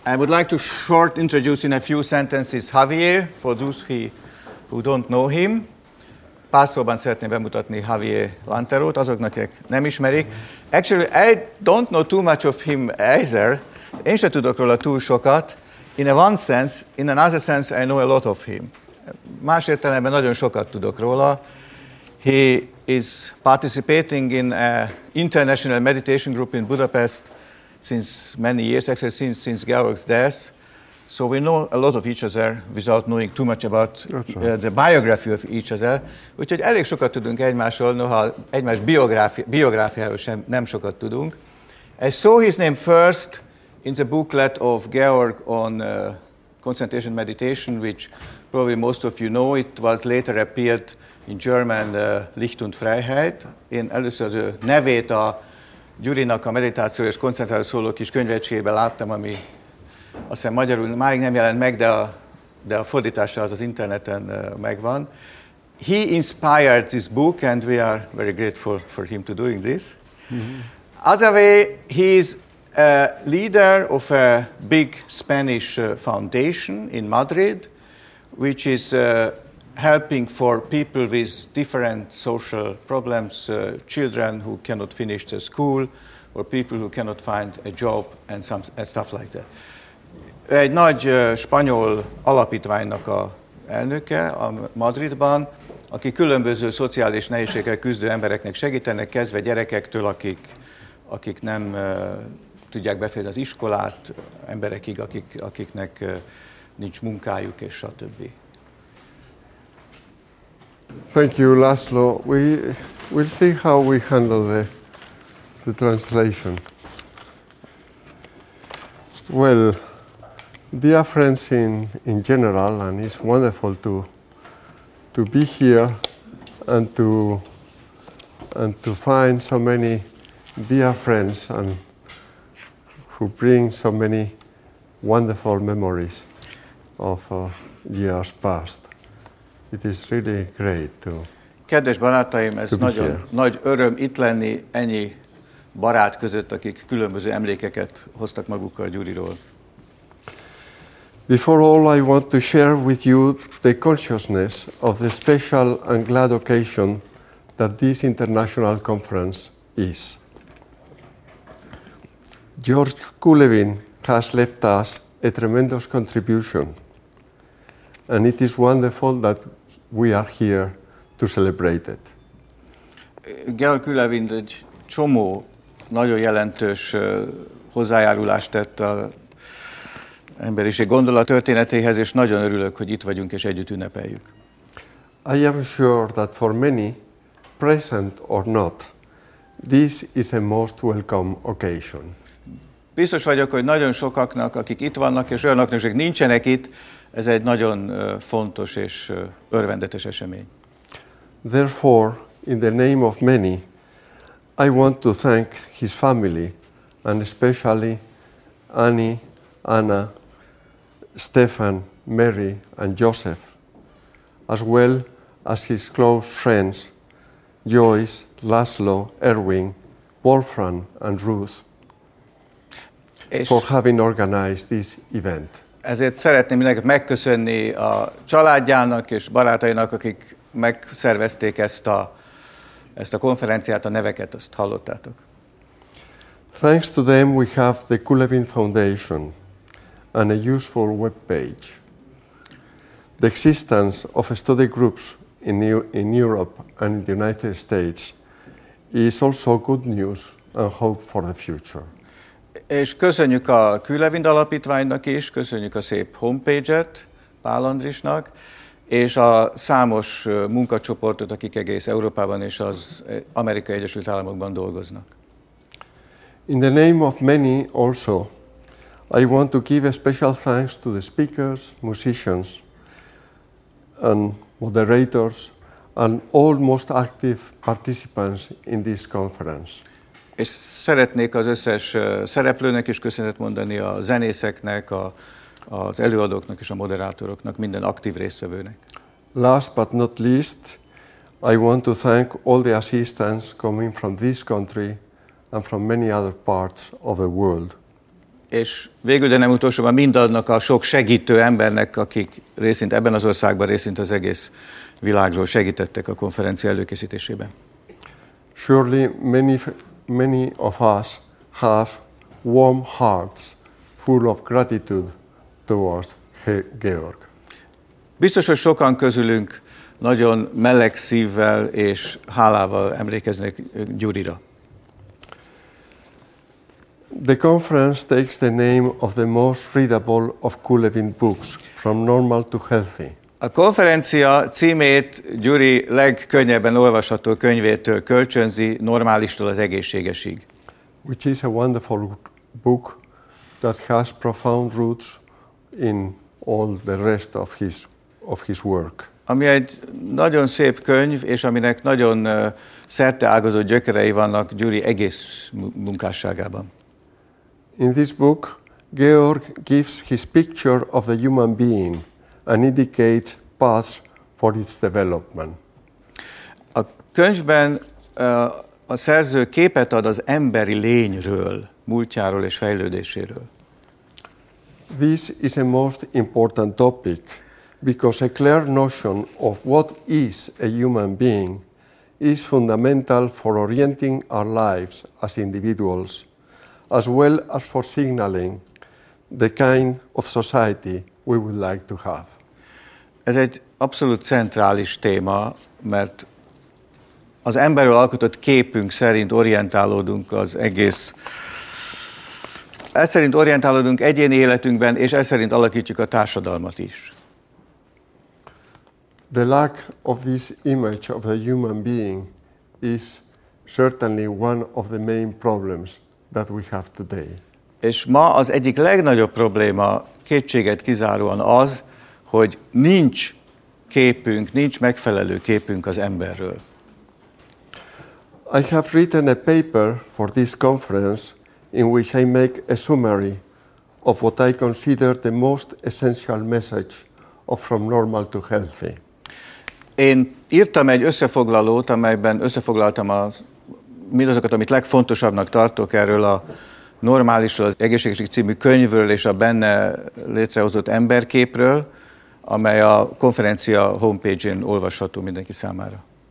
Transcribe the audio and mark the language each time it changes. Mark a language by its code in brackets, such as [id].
[en] I would like to short introduce in a few sentences Javier, for those who don't know him. [hu] Pár szóban szeretném bemutatni Javier Lanterót, azoknak, akik nem ismerik. [en] Actually, I don't know too much of him either. [hu] Én se tudok róla túl sokat. [en] In a one sense, in another sense, I know a lot of him. [hu] Más értelemben nagyon sokat tudok róla. [en] He is participating in an international meditation group in Budapest since many years, actually since Georg's death. So we know a lot of each other without knowing too much about the biography of each other. [hu] Úgyhogy elég sokat tudunk egymásról, noha egymás biográfiáról sem nem sokat tudunk. [en] I saw his name first in the booklet of Georg on concentration meditation, which probably most of you know. It was later appeared in German, [de] Licht und Freiheit. [hu] Én először az ő nevét a Gyurinak a meditáció és koncentráció szóló kis könyvecskében láttam, ami azt hiszem magyarul máig nem jelent meg, de a fordítása az interneten megvan. [en] He inspired this book, and we are very grateful for him to doing this. Mm-hmm. Other way, he is a leader of a big Spanish foundation in Madrid, which is helping for people with different social problems, children who cannot finish the school, or people who cannot find a job, and stuff like that. [hu] Egy nagy spanyol alapítványnak a elnöke a Madridban, aki különböző szociális nehézségekkel küzdő embereknek segítenek, kezdve gyerekektől, akik nem tudják befejezni az iskolát, emberekig, akiknek nincs munkájuk, és stb. [en] Thank you, László. We'll see how we handle the translation. Well, dear friends in general, and it's wonderful to be here and to find so many dear friends and who bring so many wonderful memories of years past. It is really great to. [hu] Kedves barátaim, ez nagyon nagy öröm itt lenni ennyi barát között, akik különböző emlékeket hoztak magukkal Gyuriról. [en] Before all, I want to share with you the consciousness of the special and glad occasion that this international conference is. George Kulevin has left us a tremendous contribution, and it is wonderful that we are here to celebrate it. [hu] Georg Kulevin egy csomó nagyon jelentős hozzájárulást tett a emberiség gondolat történetéhez, és nagyon örülök, hogy itt vagyunk és együtt ünnepeljük. [en] I am sure that for many, present or not, this is a most welcome occasion. [hu] Biztos vagyok, hogy nagyon sokaknak, akik itt vannak, és olyanoknak, akik nincsenek itt, ez egy nagyon fontos és örvendetes esemény. [en] Therefore, in the name of many, I want to thank his family, and especially Annie, Anna, Stefan, Mary, and Joseph, as well as his close friends, Joyce, Laszlo, Erwin, Wolfram, and Ruth, for having organized this event. [hu] Ezért szeretném mindenkit megköszönni a családjának és barátainak, akik megszervezték ezt a konferenciát, a neveket, azt hallottátok. [en] Thanks to them we have the Kulevin Foundation and a useful web page. The existence of study groups in Europe and in the United States is also good news and hope for the future. [hu] És köszönjük a Kulevin Alapítványnak is, köszönjük a szép homepage-et Pál Andrisnak, és a számos munkacsoportot, akik egész Európában és az Amerikai Egyesült Államokban dolgoznak. [en] In the name of many also, I want to give a special thanks to the speakers, musicians, and moderators, and all most active participants in this conference. [hu] És szeretnék az összes szereplőnek is köszönet mondani, a zenészeknek, az előadóknak és a moderátoroknak, minden aktív résztvevőnek. [en] Last but not least, I want to thank all the assistants coming from this country and from many other parts of the world. [hu] És végül, de nem utolsó, a mindannak a sok segítő embernek, akik részint ebben az országban, részint az egész világról segítettek a konferencia előkészítésében. [en] Surely many of us have warm hearts full of gratitude towards Georg. [hu] Biztos, hogy sokan közülünk nagyon meleg szívvel és hálával emlékeznek Gyurira. [en] The conference takes the name of the most readable of Kulevin books, From Normal to Healthy. [hu] A konferencia címét Gyuri legkönnyebben olvasható könyvétől kölcsönzi, Normálistól az egészségesig. [en] Which is a wonderful book that has profound roots in all the rest of his work. [hu] Ami egy nagyon szép könyv, és aminek nagyon szerte ágazó gyökerei vannak Gyuri egész munkásságában. [en] In this book, Georg gives his picture of the human being and indicates paths for its development. [hu] A könyvben a szerző képet ad az emberi lényről, múltjáról és fejlődéséről. [en] This is a most important topic because a clear notion of what is a human being is fundamental for orienting our lives as individuals, as well as for signaling the kind of society we would like to have. [hu] Ez egy abszolút centrális téma, mert az emberről alkotott képünk szerint orientálódunk az egész. Ez szerint orientálódunk egyéni életünkben, és ez szerint alakítjuk a társadalmat is. [en] The lack of this image of the human being is certainly one of the main problems that we have today. [hu] És ma az egyik legnagyobb probléma kétséget kizáróan az, hogy nincs képünk, nincs megfelelő képünk az emberről. [en] I have written a paper for this conference in which I make a summary of what I consider the most essential message of From Normal to Healthy. [hu] Én írtam egy összefoglalót, amelyben összefoglaltam a mindazokat, amit legfontosabbnak tartok erről a Normálisról, az egészségesség című könyvről és a benne létrehozott emberképről, amely a konferencia homepage-én olvasható mindenki számára.